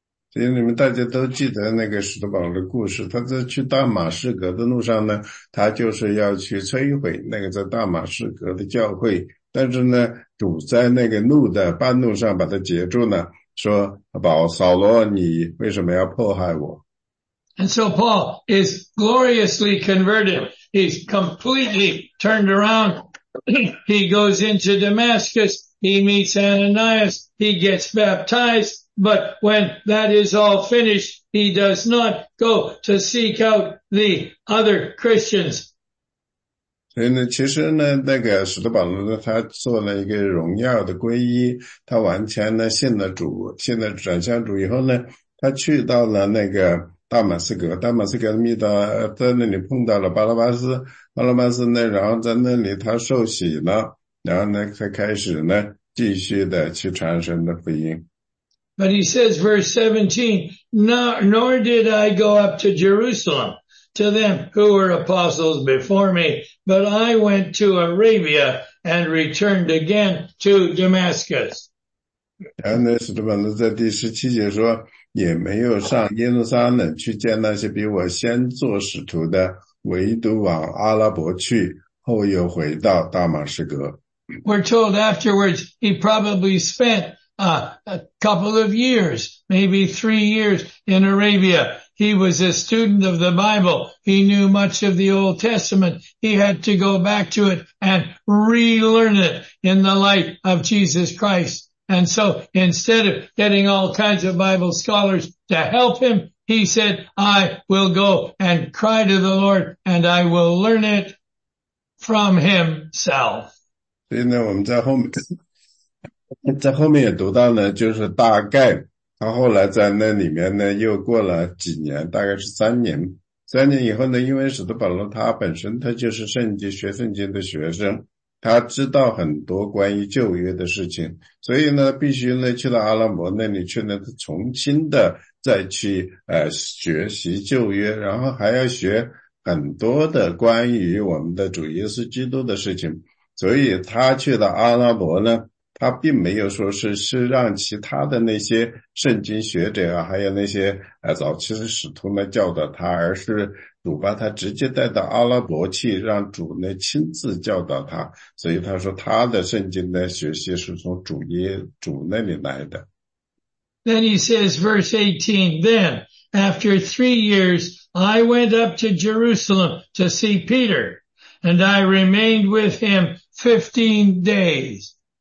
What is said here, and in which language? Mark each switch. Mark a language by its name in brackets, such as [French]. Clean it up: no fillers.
[Chinese] 所以你们大家都记得那个使徒保罗的故事，他在去大马士革的路上呢，他就是要去摧毁那个在大马士革的教会，但是呢，主在那个路的半路上把他截住呢，说，保扫罗，你为什么要迫害我？ [English] And so Paul is gloriously converted. He's completely turned aroundHe goes into Damascus, he meets Ananias, he gets baptized, But when that is all finished, he does not go to seek out the other Christians. [Chinese] 所以呢，其实呢，那个使徒保罗呢，他做了一个荣耀的皈依，他完全呢信了主，信了转向主以后呢，他去到了那个大马士革，大马士革密道，在那里碰到了巴拉巴斯，巴拉巴斯呢，然后在那里他受洗了，然后呢，他开始呢，继续的去传神的福音。 [English] But he says, verse 17, nor did I go up to Jerusalem to them who were apostles before me, but I went to Arabia and returned again to Damascus. [Chinese] 然后呢，使徒保罗在第十七节说，也没有上耶路撒冷去见那些比我先做使徒的，唯独往阿拉伯去，后又回到大马士革。 [English] We're told afterwards he probably spent a couple of years, maybe 3 years in Arabia. He was a student of the Bible. He knew much of the Old Testament. He had to go back to it and relearn it in the light of Jesus Christ. And so instead of getting all kinds of Bible scholars to help him, he said, I will go and cry to the Lord and I will learn it from himself. [Chinese] 所以呢，我们在后面。在后面也读到呢，就是大概他后来在那里面呢又过了几年，大概是三年。三年以后呢，因为使徒保罗他本身他就是圣经学圣经的学生，他知道很多关于旧约的事情，所以呢必须呢去到阿拉伯那里去呢重新的再去学习旧约，然后还要学很多的关于我们的主耶稣基督的事情。所以他去到阿拉伯呢，他并没有说是让其他的那些圣经学者啊，还有那些早期的使徒呢教导他，而是主把他直接带到阿拉伯去，让主呢亲自教导他。所以他说他的圣经的学习是从主那里来的。 [English] Then he says, verse 18, then after 3 years, I went up to Jerusalem to see Peter, and I remained with him 15 days.